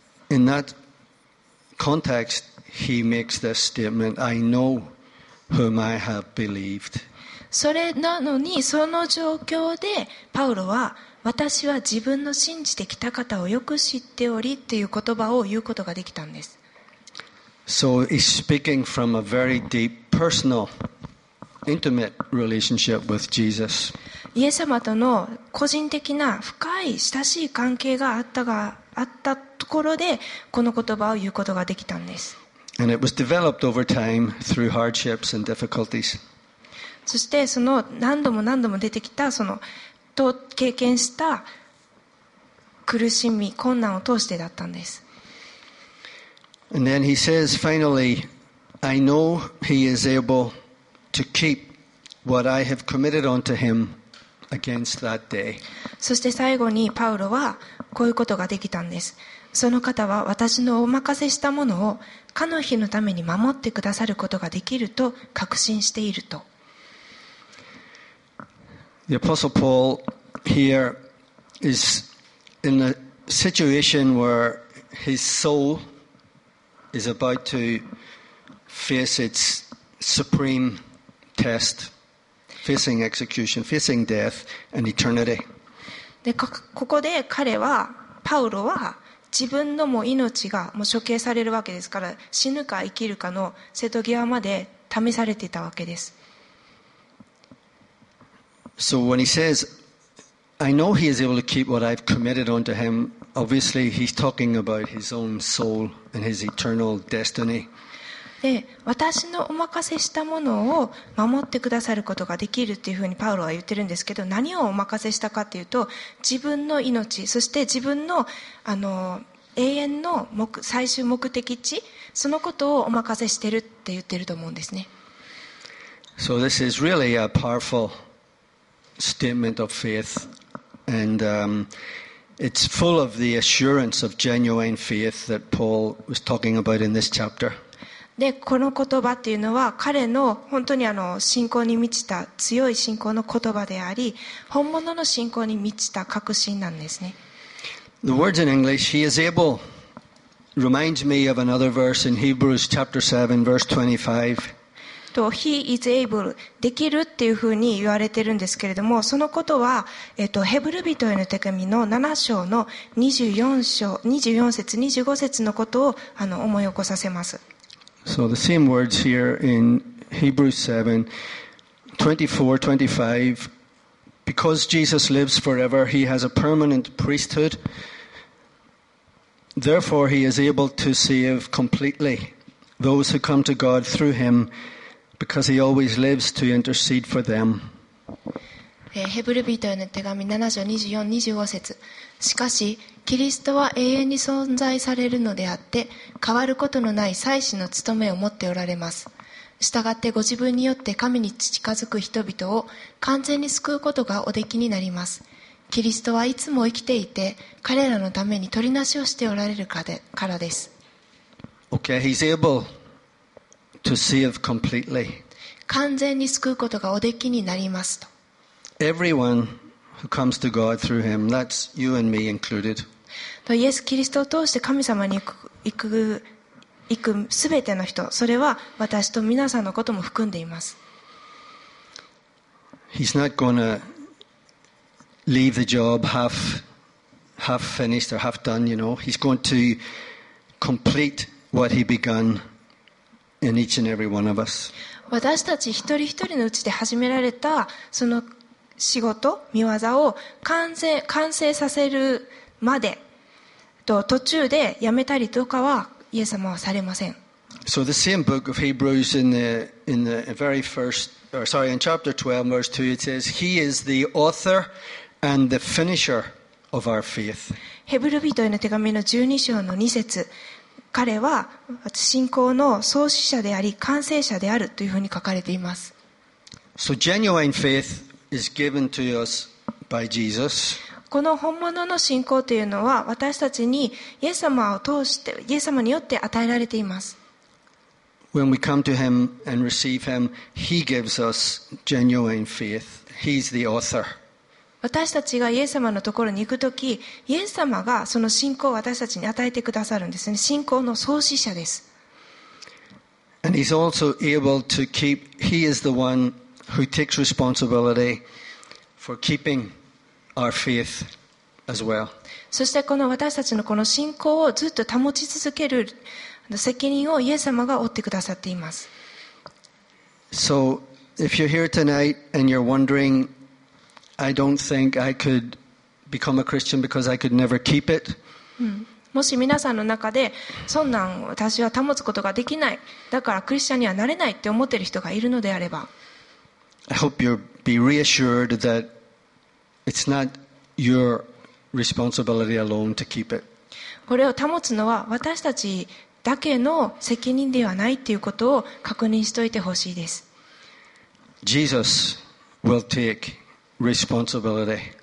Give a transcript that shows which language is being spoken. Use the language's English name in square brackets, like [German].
[English] In that context, he makes this statement: I know whom I have believed. [Japanese] それなのに、その状況でパウロは、私は自分の信じてきた方をよく知っておりという言葉を言うことができたんです。 [English] So he's speaking from a very deep, personal, intimate relationship with Jesus. [Japanese] イエス様との個人的な深い親しい関係があったが、あったところでこの言葉を言うことができたんです。 [English] And it was developed over time through hardships and difficulties. [Japanese] そしてその何度も何度も出てきたそのと経験した苦しみ困難を通してだったんです。 [English] And then he says finally, I know he is able to keep what I have committed unto him against that day. [Japanese] そして最後にパウロはこういうことができたんです。その方は私のお任せしたものをかの日のために守ってくださることができると確信していると。 [English] The Apostle Paul here is in a situation where his soul is about to face its supreme test, facing execution, facing death and eternity. [Japanese] で、ここで彼は、パウロは、自分のも命がもう処刑されるわけですから、死ぬか生きるかの瀬戸際まで試されていたわけです。 [English] So when he says, I know he is able to keep what I've committed unto him, obviously he's talking about his own soul and his eternal destiny. [Japanese] で、私のお任せしたものを守ってくださることができるというふうにパウロは言ってるんですけど、何をお任せしたかというと、自分の命、そして自分の、永遠の最終目的地、そのことをお任せしてるって言ってると思うんですね。 [English] So this is really a powerful statement of faith, and、it's full of the assurance of genuine faith that Paul was talking about in this chapter. [Japanese] でこの言葉っていうのは彼の本当に信仰に満ちた強い信仰の言葉であり、本物の信仰に満ちた確信なんですね。 [English] The words in English, he is able, reminds me of another verse in Hebrews chapter 7, verse 25. [Japanese] と、 [English] he is able, [Japanese] できるっていうふうに言われてるんですけれども、そのことは、ヘブル人への手紙の7章の24節、25節のことを思い起こさせます。 [English] So the same words here in Hebrews 7:24-25, because Jesus lives forever, he has a permanent priesthood. Therefore, he is able to save completely those who come to God through him, because he always lives to intercede for them. [Japanese] ヘブル人への手紙7章24、25節。しかし、キリストは永遠に存在されるのであって、変わることのない祭司の務めを持っておられます。したがってご自分によって神に近づく人々を完全に救うことがおできになります。キリストはいつも生きていて、彼らのために取りなしをしておられるからです。 [English] Okay, he's able to save completely. [Japanese] 完全に救うことがおできになりますと。 [English] Everyone who comes to God through him, that's you and me included. [Japanese] イエス・キリストを通して神様に行く全ての人、それは私と皆さんのことも含んでいます。 [English] He's not gonna leave the job half finished or half done, you know. He's going to complete what he began in each and every one of us. [Japanese] 私たち一人一人のうちで始められたその仕事、見業を完成させるまでと途中でやめたりとかはイエス様はされません。 [English] So the same book of Hebrews in the very first, or sorry, in chapter 12, verse 2, it says, He is the author and the finisher of our faith. [Japanese] ヘブル人への手紙の12章の2節、彼は信仰の創始者であり完成者であるというふうに書かれています。 [English] So genuine faith. Is given to us by Jesus. [Japanese] この本物の信仰というのは私たちにイエス様を通してイエス様によって与えられています。 [English] When we come to him and receive him, he gives us genuine faith. He's the author. [Japanese] 私たちがイエス様のところに行くとき、イエス様がその信仰を私たちに与えてくださるんですね。信仰の創始者です。 [English] And he's also able to keep, he is the oneWho takes responsibility for keeping our faith as well. [Japanese] そしてこの私たちのこの信仰をずっと保ち続ける責任をイエス様が負ってくださっています。 [English] So if you're here tonight and you're wondering, I don't think I could become a Christian because I could never keep it. [Japanese] もし皆さんの中でそんなん私は保つことができない、だからクリスチャンにはなれないって思っている人がいるのであれば。 [English] I hope you'll be reassured that it's not your responsibility alone to keep it. [Japanese] これを保つのは私たちだけの責任ではないということを確認しておいてほしいです。 [English] Jesus will take responsibility.